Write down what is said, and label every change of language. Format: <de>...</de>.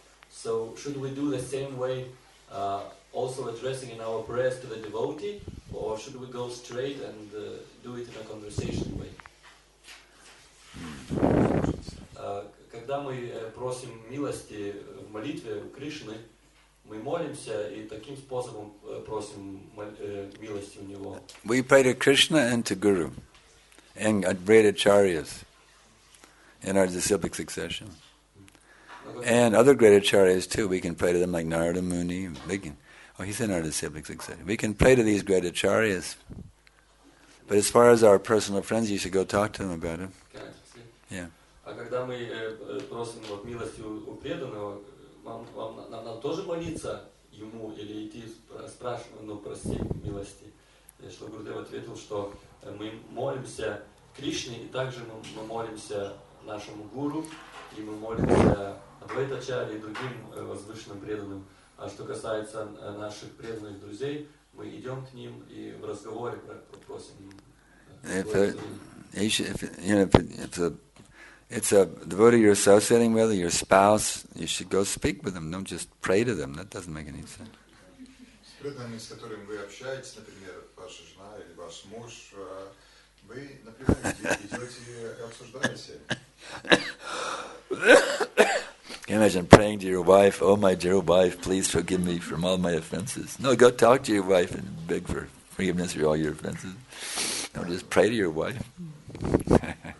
<en>So should we do the same way, also addressing in our prayers to the devotee, or should we go straight and do it in a conversation way?</en> <ru>Когда мы просим милости в молитве у Кришны, мы молимся и таким способом просим милости у него.</ru> <en>We pray to Krishna and to Guru and great acharyas in our disciplic succession. And other great acharyas too, we can pray to them like Narada Muni. He's in our disciplic succession. We can pray to these great acharyas. But as far as our personal friends, you should go talk to them about it. Yeah.</en> <ru>А когда мы просим вот милости у преданного, нам тоже молиться ему или идти спрашивать, ну, прости милости? Шла Гурудев ответил, что мы молимся Кришне, и также мы молимся нашему гуру, и мы молимся Адвайтачарье и другим возвышенным преданным. А что касается наших преданных друзей, мы идем к ним и в разговоре просим.</ru> <en>It's a devotee you're associating with, your spouse, you should go speak with them. Don't just pray to them. That doesn't make any sense.</en> <ru>С преданными, с которыми вы общаетесь, например, ваша жена или ваш муж, вы напрямую идете и обсуждаете.</ru> <en>Can you imagine praying to your wife, oh my dear wife, please forgive me from all my offenses. No, go talk to your wife and beg for forgiveness for all your offenses. Don't just pray to your wife.</en>